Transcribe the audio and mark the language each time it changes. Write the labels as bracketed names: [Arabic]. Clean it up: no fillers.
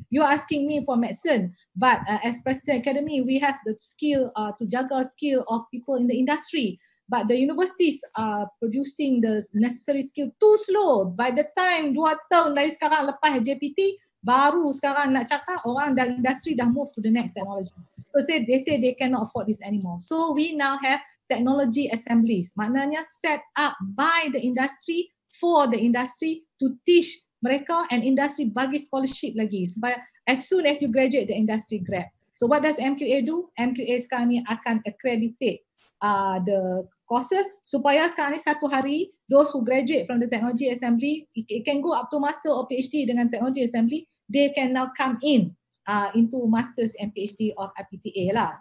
[English] You are asking me for medicine, but as President Academy, we have the skill to [Malay] jaga [English] skill of people in the industry. But the universities are producing the necessary skill too slow. By the time [Malay] 2 tahun dari sekarang lepas JPT, baru sekarang nak cakap orang dari industri dah [English] move to the next technology. So they say they cannot afford this anymore. So we now have technology assemblies. [Malay] Maknanya [English] set up by the industry for the industry to teach [Malay] mereka [English] and industry [Malay] bagi [English] scholarship [Malay] lagi. Supaya [English] as soon as you graduate, the industry grab. So what does MQA do? [Malay] MQA sekarang ni akan [English] accreditate the courses [Malay] supaya sekarang ni satu hari [English] those who graduate from the technology assembly, it can go up to master or PhD [Malay] dengan [English] technology assembly, they can now come in into masters and PhD of IPTA [Malay] lah.